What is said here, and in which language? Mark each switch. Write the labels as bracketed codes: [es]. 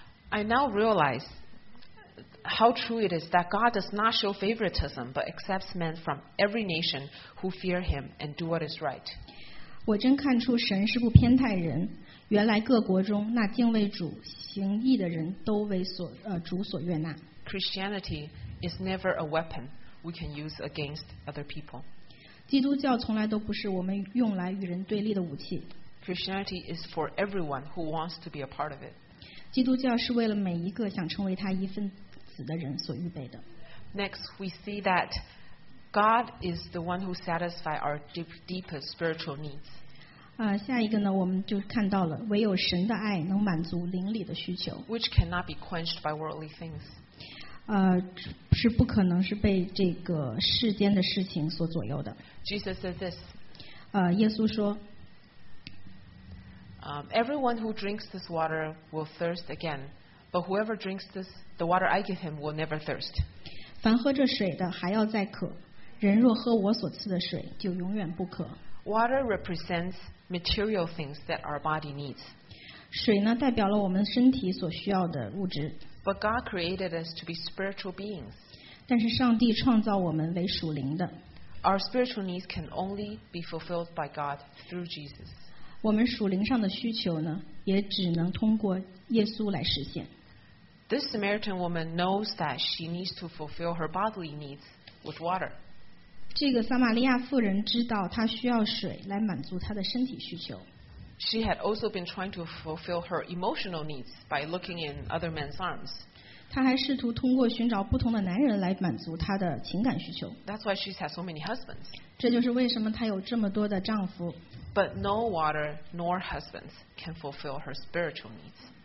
[en] I now realize how true it is that God does not show favoritism, but accepts men from every nation who fear Him and do what is right. [zh] 我真看出神是不偏待人。原来各国中那敬畏主、行义的人都为主所悦纳。 [en] Christianity is never a weapon we can use against other people. [zh] 基督教从来都不是我们用来与人对立的武器。 [en] Christianity is for everyone who wants to be a part of it. [zh] 基督教是为了每一个想成为他一份子的人所预备的。 [en] Next, we see that God is the one who satisfies our deepest spiritual needs. [zh] 下一个呢，我们就看到了唯有神的爱能满足灵里的需求。 [en] Which cannot be quenched by worldly things. [zh] 是不可能是被这个世间的事情所左右的。 [en] Jesus said this. [zh] 耶稣说。 [en] Everyone who drinks this water will thirst again, but whoever drinks this, the water I give him will never thirst. [zh] 凡喝这水的还要再渴，人若喝我所赐的水，就永远不渴。 [en] Water represents material things that our body needs. [zh] 水呢代表了我们身体所需要的物质。 [en] But God created us to be spiritual beings. [zh] 但是上帝创造我们为属灵的。 [en] Our spiritual needs can only be fulfilled by God through Jesus. [zh] 我们属灵上的需求呢，也只能通过耶稣来实现。 [en] This Samaritan woman knows that she needs to fulfill her bodily needs with water. [zh] 这个撒玛利亚妇人知道她需要水来满足她的身体需求。 [en] She had also been trying to fulfill her emotional needs by looking in other men's arms. [zh] 她还试图通过寻找不同的男人来满足她的情感需求。 [en] That's why she's had so many husbands. [zh] 这就是为什么她有这么多的丈夫。 [en] But no water nor husbands can fulfill her spiritual needs.